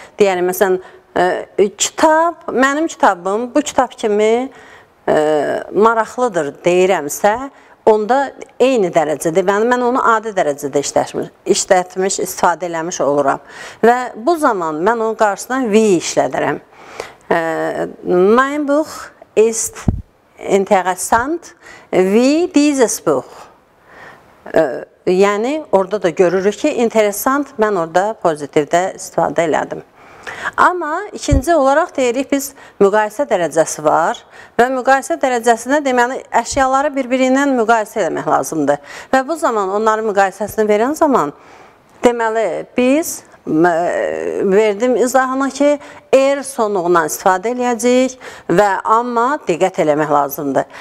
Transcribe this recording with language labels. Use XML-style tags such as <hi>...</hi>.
<az>Deyəlim, məsələn, kitab, mənim kitabım bu kitab kimi maraqlıdır deyirəmsə, onda eyni dərəcədə, mən onu adi dərəcədə işlətmiş, istifadə eləmiş oluram. Və bu zaman mən onun qarşısına V işlədirəm.</az> <de>Mein Buch ist interessant, wie dieses Buch.</de> <az>Yəni, orada da görürük ki, interessant mən orada pozitivdə istifadə elədim. Amma ikinci olaraq deyirik biz müqayisə dərəcəsi var və müqayisə dərəcəsində deməli əşyaları bir-birindən müqayisə eləmək lazımdır. Və bu zaman onların müqayisəsini verən zaman deməli biz verdim izahına ki, er sonuğundan istifadə eləyəcəyik və amma diqqət eləmək lazımdır.</az>